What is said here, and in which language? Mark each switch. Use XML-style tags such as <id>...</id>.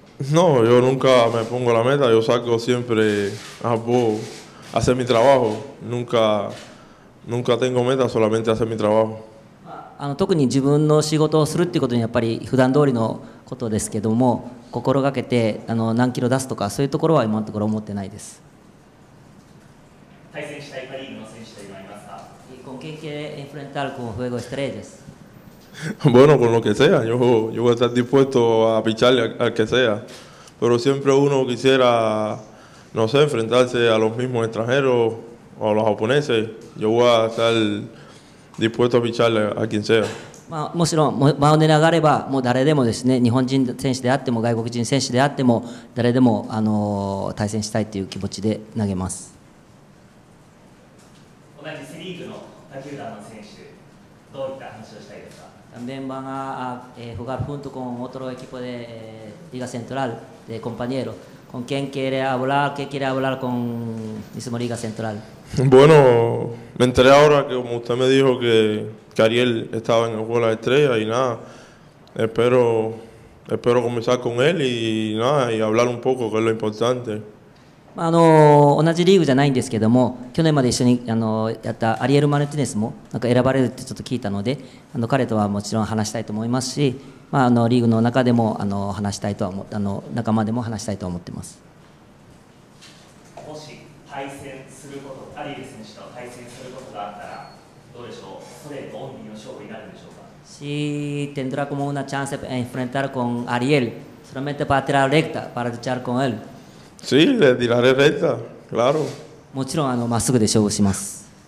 <es>No, yo nunca me pongo la meta, yo salgo siempre a hacer mi trabajo. Nunca tengo meta, solamente hacer mi trabajo.</es> <ja>特に自分の仕事をするっていうことにやっぱり普段通りのことですけども、心がけて何キロ出すとか、そういうところは今のところ思ってないです。対戦したいパ・リーグの選手といいますか。</ja> <es>Con quien quiere enfrentar con juego estrellas? Bueno, con lo que sea, yo voy a estar dispuesto a picharle al que sea, pero siempre uno quisiera, no sé, enfrentarse a los mismos extranjeros o a los japoneses, yo voy a estar dispuesto a picharle a quien sea.</es> <ja>もちろん、場を狙われば、もう誰でもですね、日本人選手であっても、外国人選手であっても、誰でも対戦したいという気持ちで投げます。同じセ・リーグの他球団の選手、どういった話をしたいですか。</ja> <es>También van a jugar junto con otro equipo de Liga Central, de compañero. ¿Con quién quiere hablar? ¿Qué quiere hablar con mismo Liga Central? Bueno, me enteré ahora que como usted me dijo que Ariel estaba en el juego de las estrellas y nada. Espero comenzar con él y nada y hablar un poco, que es lo importante.</es> <ja>同じリーグじゃないんですけども、去年まで一緒にやったアリエル・マルティネスもなんか選ばれるってちょっと聞いたので、彼とはもちろん話したいと思いますし、まあ、リーグの中でも話したいとは思って、仲間でも話したいと思ってます。もし対戦することあるいは選手と対戦することがあったらどうでしょう、ストレートオンリーの勝負になるんでしょうか。</ja> <es>Si tendrá como una chance de enfrentar con Ariel, solamente para tirar recta, para luchar con él. Sí, le tiraré recta, claro.</es> <ja>もちろん、あの、まっすぐで勝負します。</ja>